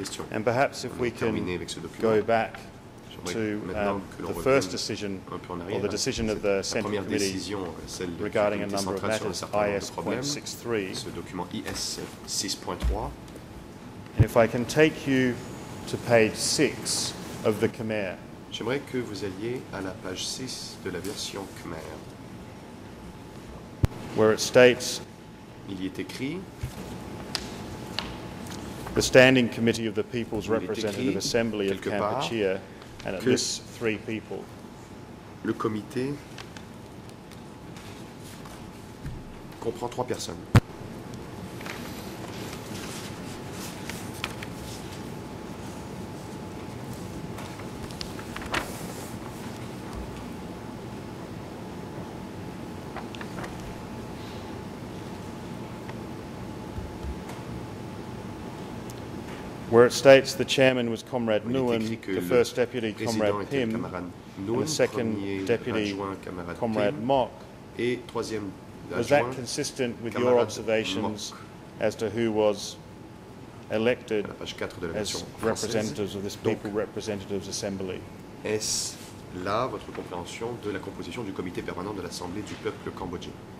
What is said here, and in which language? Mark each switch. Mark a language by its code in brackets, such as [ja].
[en] And perhaps if we can go back to the first decision or the decision of the Central Committee regarding a number of matters, IS.63. And if I can take you to page 6 of the Khmer. [fr] J'aimerais que vous alliez à la page 6 de la version Khmer. [en] Where it states, [fr] il y est écrit, [en] the Standing Committee of the People's Representative Assembly of Kampuchea, and it lists three people. [fr] Le comité comprend trois personnes. [en] Where it states the chairman was Comrade Nguyen, the first deputy Comrade Pim, the second deputy Comrade Mok. Was that consistent with your observations as to who was elected as representatives of this People Representatives Assembly? [fr] Est-ce là votre compréhension de la composition du comité permanent de l'Assemblée du peuple cambodgien?